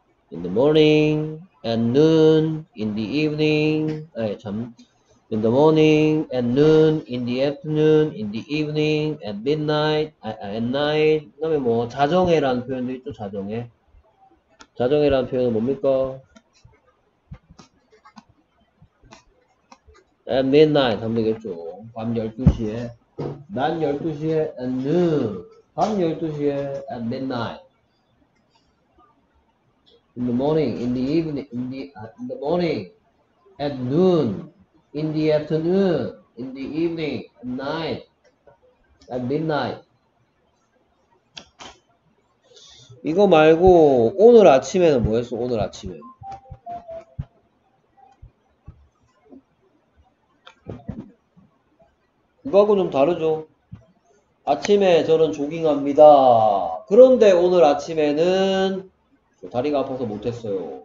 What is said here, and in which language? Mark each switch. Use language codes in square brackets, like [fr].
[en] In the morning, at noon, in the evening, [ko] 아니 참. [en] In the morning, at noon, in the afternoon, in the evening, at midnight, at night. [ko] 그 다음에 뭐 자정에라는 표현도 있죠. 자정에. 자정에라는 표현은 뭡니까? [en] At midnight [ko] 하면 되겠죠. 밤 12시에 난 12시에 [en] at noon [ko] 밤 12시에 [en] at midnight in the morning in the evening in the, in the morning at noon in the afternoon in the evening at night at midnight. [ko] 이거 말고 오늘 아침에는 뭐였어? 오늘 아침에 이거하고 좀 다르죠. 아침에 저는 조깅합니다. 그런데 오늘 아침에는 다리가 아파서 못했어요.